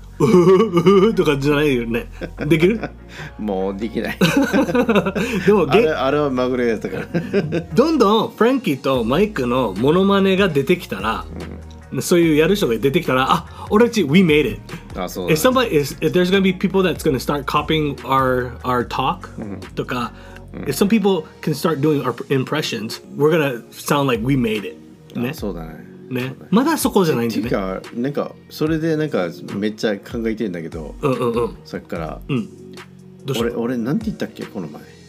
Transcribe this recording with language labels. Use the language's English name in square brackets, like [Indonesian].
[Japanese] うふふふとかじゃないよね。できる？もうできない。でもあれはまぐれやったから。どんどんフランキーとマイクのモノマネが出てきたら、うん、そういうやる人が出てきたら、あ、俺たち [English] We made it。 [Japanese] あ、そう [English] だ。If somebody is, if there's gonna be people that's gonna start copying our talk、うん、とか、うん、if some people can start doing our impressions, we're gonna sound like we made it。 [Japanese] ね、そうだね。ね、まだそこじゃないんだよね。てか、なんかそれでなんかめっちゃ考えてんだけど、うんうんうん、さっきから、うん、どうした？俺なんて言ったっけこの前。